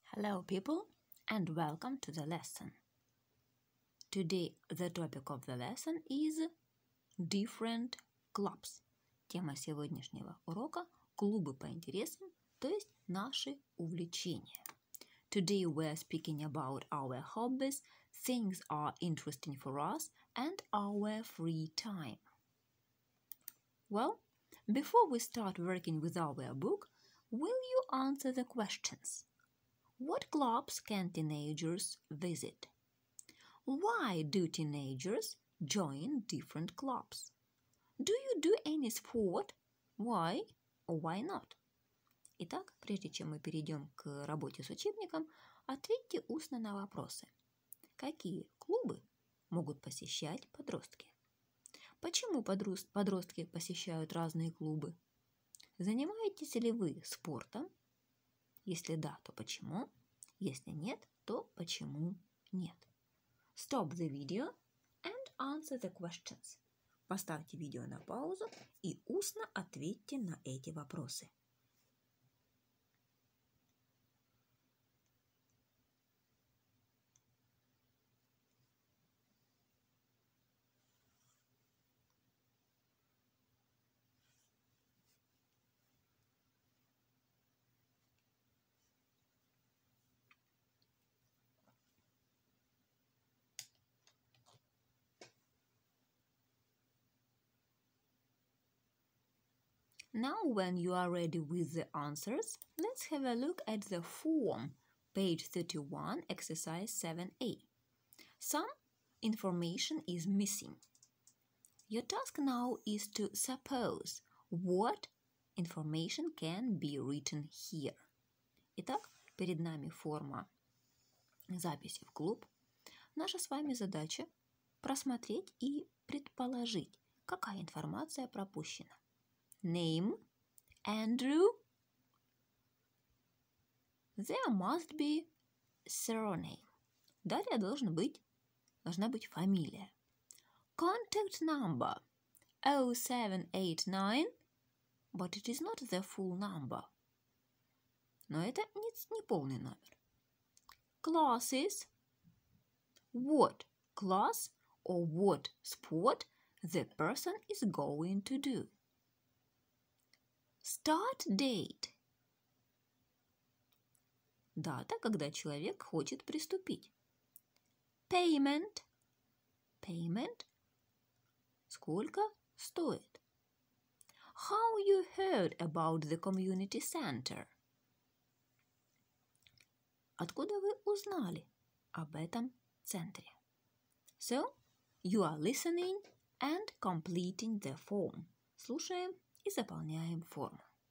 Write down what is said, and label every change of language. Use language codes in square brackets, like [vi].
[en] Hello people, and welcome to the lesson. Today the topic of the lesson is different clubs. [ru] Тема сегодняшнего урока – клубы по интересам, то есть наши увлечения. [en] Today we are speaking about our hobbies, things are interesting for us, and our free time. Well, before we start working with our book, will you answer the questions? What clubs can teenagers visit? Why do teenagers join different clubs? Do you do any sport? Why or why not? [ru] Итак, прежде чем мы перейдем к работе с учебником, ответьте устно на вопросы. Какие клубы могут посещать подростки? Почему подростки посещают разные клубы? Занимаетесь ли вы спортом? Если да, то почему? Если нет, то почему нет? [en] Stop the video and answer the questions. [ru] Поставьте видео на паузу и устно ответьте на эти вопросы. [en] Now, when you are ready with the answers, let's have a look at the form, page 31, exercise 7a. Some information is missing. Your task now is to suppose what information can be written here. [ru] Итак, перед нами форма записи в клуб. Наша с вами задача – просмотреть и предположить, какая информация пропущена. [en] Name, Andrew. There must be surname. [ru] Далее должна быть фамилия. [en] Contact number 0789, but it is not the full number. [ru] Но это не полный номер. Classes. [en] What class or what sport the person is going to do. Start date. [ru] Дата, когда человек хочет приступить. [en] Payment. Payment. [ru] Сколько стоит? [en] How you heard about the community center? [ru] Откуда вы узнали об этом центре? [en] So, you are listening and completing the form. [ru] Слушаем и заполняем форму.